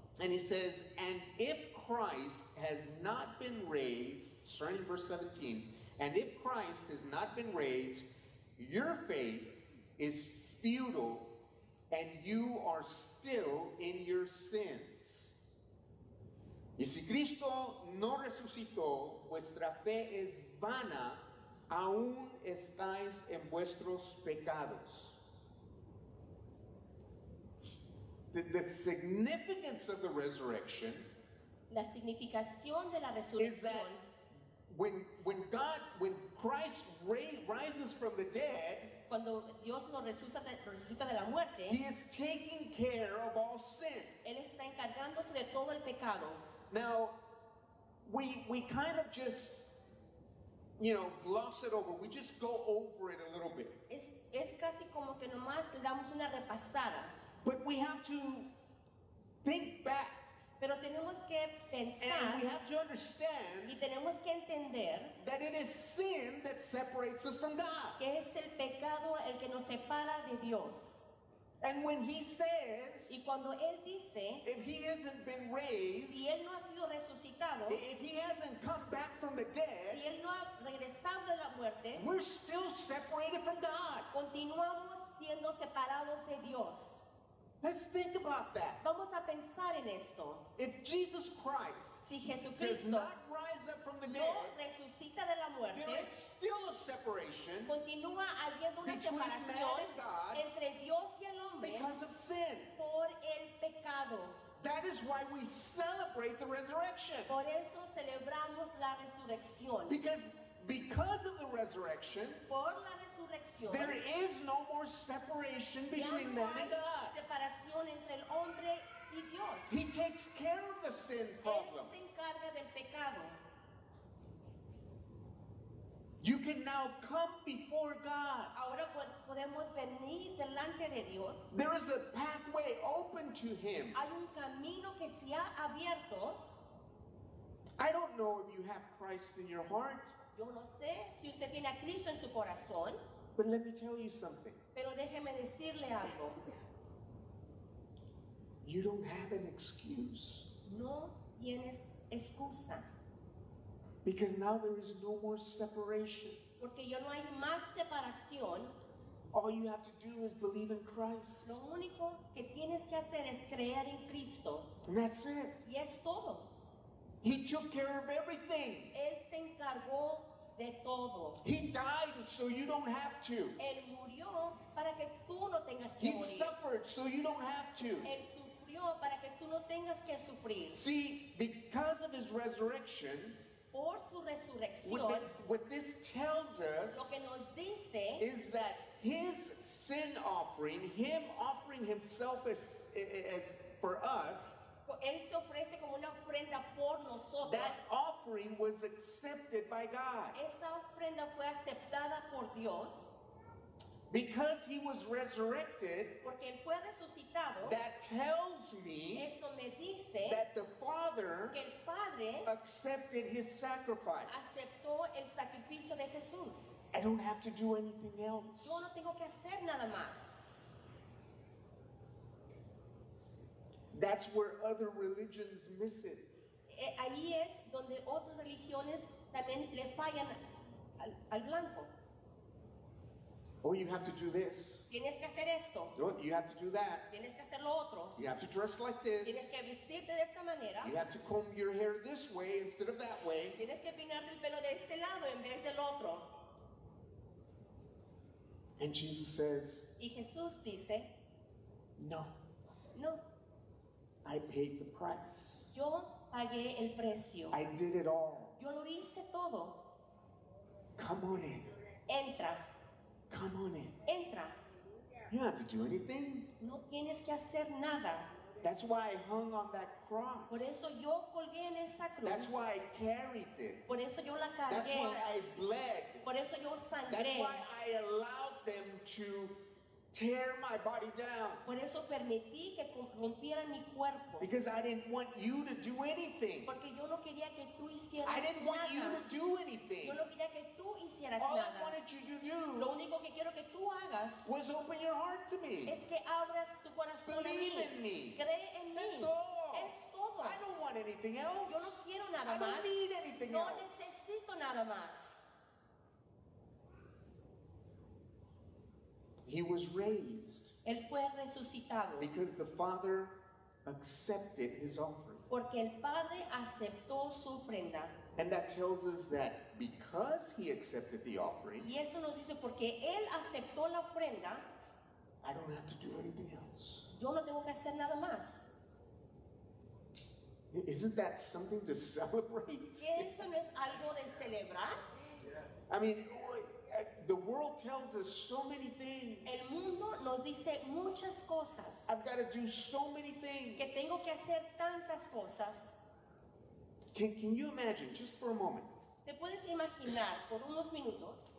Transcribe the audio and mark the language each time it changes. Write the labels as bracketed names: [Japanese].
[English] And he says, and if Christ has not been raised, starting verse 17, and if Christ has not been raised, your faith is futile and you are still in your sins. [Spanish] Y si Cristo no resucitó, vuestra fe es vana, aún estáis en vuestros pecados. [English] The significance of the resurrection, [Spanish] la significación de la resurrección, [English] is that when Christ rises from the dead, [Spanish] cuando Dios lo resucita de la muerte, [English] he is taking care of all sin. [Spanish] Él está encargándose de todo el pecado. [English] Now, we kind of just, you know, gloss it over. We just go over it a little bit. [Spanish] Es casi como que nomás le damos una repasada. [English] But we have to think back. [Spanish] Pero tenemos que pensar. [English] And we have to understand. [Spanish] Y tenemos que entender. [English] That it is sin that separates us from God. [Spanish] Que es el pecado el que nos separa de Dios. [English] And when he says. [Spanish] Y cuando él dice. [English] If he hasn't been raised. [Spanish] Si él no ha sido resucitado. [English] If he hasn't come back from the dead. [Spanish] Si él no ha regresado de la muerte. [English] We're still separated from God. [Spanish] Continuamos siendo separados de Dios. [English] Let's think about that. [Spanish] Vamos a pensar en esto. [English] If Jesus Christ, [Spanish] si Jesucristo, [English] does not rise up from the dead, [Spanish] no resucita de la muerte, [English] there is still a separation, [Spanish] continúa habiendo una separación entre Dios y el hombre, [English] because of sin, [Spanish] por el pecado. [English] That is why we celebrate the resurrection. [Spanish] Por eso celebramos la resurrección. [English] Because of the resurrection, [Spanish] por la resurrección, [English] there is no more separation between man and God. [Spanish] Separación entre el hombre y Dios. [English] He takes care of the sin problem. [Spanish] Él se encarga del pecado. [English] You can now come before God. [Spanish] Ahora podemos venir delante de Dios. [English] There is a pathway open to Him. [Spanish] Hay un camino que se ha abierto. [English] I don't know if you have Christ in your heart. [Spanish] Yo no sé si usted tiene a Cristo en su corazón. [English] But let me tell you something. [Spanish] Pero déjeme decirle algo. [English] You don't have an excuse. [Spanish] No tienes excusa. [English] Because now there is no more separation. [Spanish] Porque ya no hay más separación. [English] All you have to do is believe in Christ. [Spanish] Lo único que tienes que hacer es creer en Cristo. [English] And that's it. [Spanish] Y es todo. [English] He took care of everything. [Spanish] Él se encargó de todo. [English] He died so you don't have to. [Spanish] Él murió para que tú no tengas que [English] he [Spanish] morir. [English] He suffered so you don't have to. [Spanish] Él sufrió para que tú no tengas que sufrir. [English] See, because of his resurrection, [Spanish] por su resurrección, [English] what this tells us, [Spanish] lo que nos dice, [English] is that his sin offering, him offering himself as for us. [Spanish] Él se ofrece como una ofrenda por nosotros. [English] That offering was accepted by God. [Spanish] Esa ofrenda fue aceptada por Dios. [English] Because he was resurrected, [Spanish] porque él fue resucitado, [English] that tells me, [Spanish] eso me dice, [English] that the Father, [Spanish] que el Padre, [English] accepted his sacrifice. [Spanish] Aceptó el sacrificio de Jesús. [English] I don't have to do anything else. [Spanish] Yo no tengo que hacer nada más. [English] That's where other religions miss it. [Spanish] Ahí es donde otras religiones también le fallan al blanco. [English] Oh, you have to do this. [Spanish] Tienes que hacer esto. [English] Oh, you have to do that. [Spanish] Tienes que hacer lo otro. [English] You have to dress like this. [Spanish] Tienes que vestirte de esta manera. [English] You have to comb your hair this way instead of that way. [Spanish] Tienes que peinarte el pelo de este lado en vez del otro. [English] And Jesus says, [Spanish] y Jesús dice, [English] no. [Spanish] No. [English] I paid the price. [Spanish] Yo pagué el precio. [English] I did it all. [Spanish] Yo lo hice todo. [English] Come on in. [Spanish] Entra. [English] Come on in. [Spanish] Entra. [English] You don't have to do anything. [Spanish] No tienes que hacer nada. [English] That's why I hung on that cross. [Spanish] Por eso yo colgué en esa cruz. [English] That's why I carried it. [Spanish] Por eso yo la cargué. [English] That's why I bled. [Spanish] Por eso yo sangré. [English] That's why I allowed them to tear my body down. [Spanish] Por eso permití que rompieran mi cuerpo. [English] Because I didn't want you to do anything. [Spanish] Porque yo no quería que tú hicieras nada. [English] I didn't want you to do anything. [Spanish] Yo no quería que tú hicieras [English] All [Spanish] nada. [English] All I wanted you to do. [Spanish] Lo único que quiero que tú hagas [English] was open your heart to me. [Spanish] Es que abras tu corazón [English] Believe [Spanish] a mí. [English] Believe in me. [Spanish] Cree en mí. [English] That's all. [Spanish] Es todo. [English] I don't want anything else. [Spanish] Yo no quiero nada más. [English] I don't need anything [Spanish] no [English] else. [Spanish] No necesito nada más. [English] He was raised. [Spanish] Él fue resucitado. [English] Because the Father accepted his offering. [Spanish] Porque el Padre aceptó su ofrenda. [English] And that tells us that because he accepted the offering. [Spanish] Y eso nos dice porque él aceptó la ofrenda. [English] I don't have to do anything else. [Spanish] Yo no tengo que hacer nada más. [English] Isn't that something to celebrate? [Spanish] ¿Eso no es algo de celebrar? [English] I mean, the world tells us so many things. [Spanish] El mundo nos dice muchas cosas. [English] I've got to do so many things. [Spanish] Que tengo que hacer tantas cosas. [English] Can you imagine, just for a moment? [Spanish] ¿Te puedes imaginar por unos minutos?